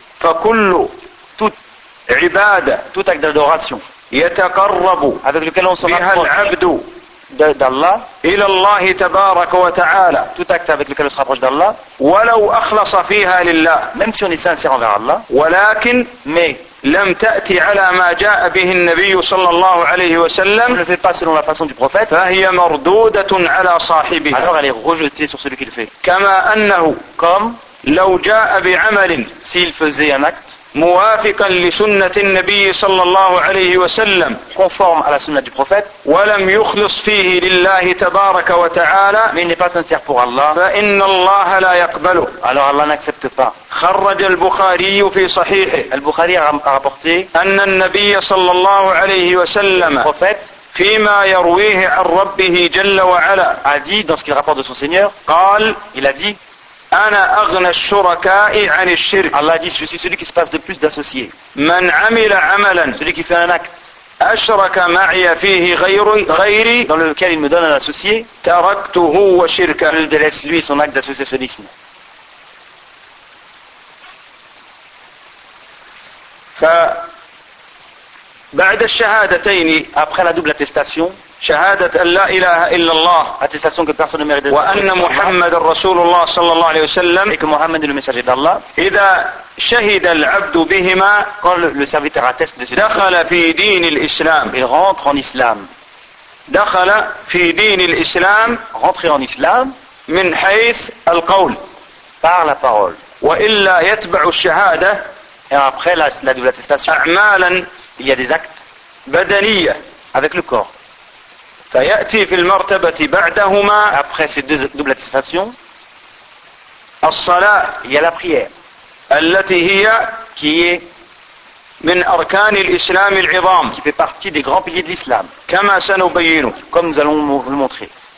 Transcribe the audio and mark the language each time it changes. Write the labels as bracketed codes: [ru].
[ar] فكل [fr] tout [ar] عبادة [fr] tout acte d'adoration [ar] يتقرب [fr] avec lequel on se rapproche d'Allah [ar] إلى الله تبارك وتعالى [fr] tout acte avec lequel on se rapproche d'Allah [ar] ولو أخلص فيها لله [fr] même si on est sincère envers Allah [ar] ولكن [fr] mais [ar] لم تأتي على ما جاء به النبي صلى الله عليه وسلم [fr] on ne fait pas selon la façon du prophète [ar] فهي مردودة على صاحبها [fr] alors elle est rejetée sur celui qui le fait [ar] كما أنه [fr] comme [ar] لو جاء بعمل [fr] s'il faisait un acte [ar] موافقا لسنة النبي صلى الله عليه وسلم [fr] conforme à la sunna du prophète [ar] ولم يخلص فيه لله تبارك وتعالى [fr] mais il n'est pas sincère pour Allah [ar] فإن الله لا يقبله [fr] alors Allah n'accepte pas [ar] خرج البخاري في صحيحه [fr] البخاري a rapporté [ar] أن النبي صلى الله عليه وسلم [fr] le prophète [ar] فيما يرويه عن ربه جل وعلا [fr] a dit dans ce qu'il rapporte de son Seigneur [ar] قال [fr] il a dit [ar] أنا أغنى الشركاء عن الشرك. [fr] Allah dit, je suis celui qui se passe de plus d'associés. [ar] من عمل عملا. [fr] Celui qui fait un acte. [ar] أشرك معي فيه غيري. [fr] Dans lequel il me donne un associé. [ar] تركته وشركه. [fr] Je le délaisse lui son acte d'associationnisme. [ar] فبعد الشهادتين. [fr] Après la double attestation. [ar] شهادة أن لا إله إلا الله [fr] attestation que personne ne mérite [ar] وأن محمد رسول الله صلى الله عليه وسلم [fr] et que Muhammad est le messager d'Allah [ar] إذا شهد العبد بهما [fr] quand le serviteur atteste de ce [ar] دخل في دين الإسلام [fr] il rentre en Islam [ar] دخل في دين الإسلام [fr] rentre en Islam [ar] من حيث القول [fr] par la parole [ar] وإلا يتبع الشهادة [fr] et après la double attestation [ar] أعمالا [fr] il y a des actes [ar] بدنية [fr] avec le corps [ar] فيأتي في المرتبة بعدهما [fr] après ces deux double attestation [ar] الصلاة [fr] il y a la prière [ar] التي هي [fr] qui est [ar] من أركان الإسلام العظام [fr] qui fait partie des grands piliers de l'islam [ar] كما سنبينه [fr] comme nous allons vous le montrer